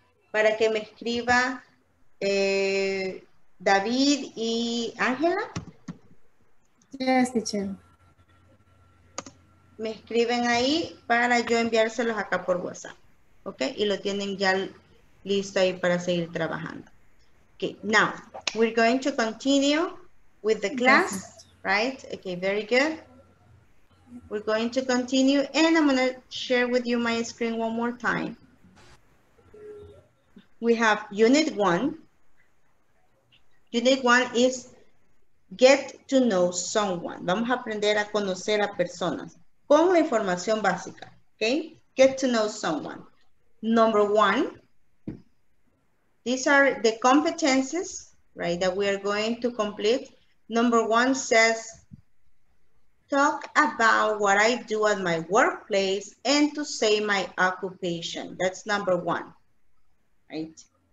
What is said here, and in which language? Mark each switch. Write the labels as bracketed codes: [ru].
[es] Para que me escriba David y Ángela. [en] Yes, teacher. [es] Me escriben ahí para yo enviárselos acá por WhatsApp. ¿Ok? Y lo tienen ya listo ahí para seguir trabajando. [en] Ok, now, we're going to continue with the class. Yes. Right? Ok, very good. We're going to continue and I'm going to share with you my screen one more time. We have Unit 1. Unit 1 is get to know someone. [es] Vamos a aprender a conocer a personas con la información básica. [en] Okay? Get to know someone. Number 1. These are the competencies, right, that we are going to complete. Number 1 says, talk about what I do at my workplace and to say my occupation. That's number 1. Right.